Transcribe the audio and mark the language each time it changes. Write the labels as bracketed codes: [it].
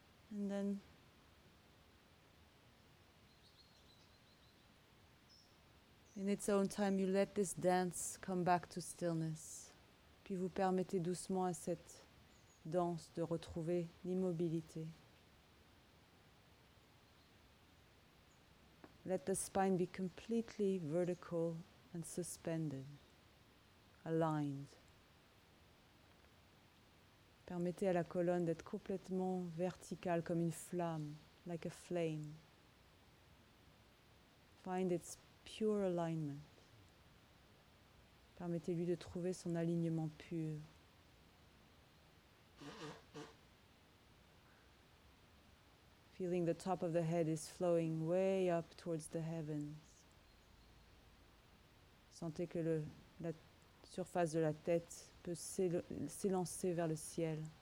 [en] And then in its own time you let this dance come back to stillness. [fr] Puis vous permettez doucement à cette danse de retrouver l'immobilité. [en] Let the spine be completely vertical and suspended, aligned. [fr] Permettez à la colonne d'être complètement verticale comme une flamme, [en] like a flame. Find its pure alignment. [fr] Permettez-lui de trouver son alignement pur. [en] Feeling the top of the head is flowing way up towards the heavens. [fr] Sentez que la surface de la tête peut s'élancer vers le ciel.